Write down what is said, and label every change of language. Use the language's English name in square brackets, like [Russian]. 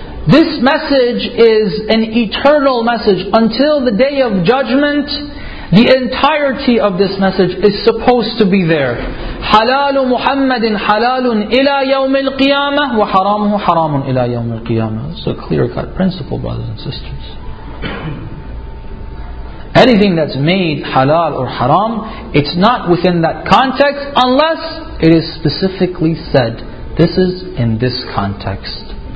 [English] This message is an eternal message. Until the day of judgment, The entirety of this message is supposed to be there. [Arabic] حلال محمد حلال إلى يوم القيامة وحرامه حرام إلى يوم القيامة. [English] It's a clear-cut principle, brothers and sisters. Anything that's made halal or haram, it's not within that context unless it is specifically said. This is in this context.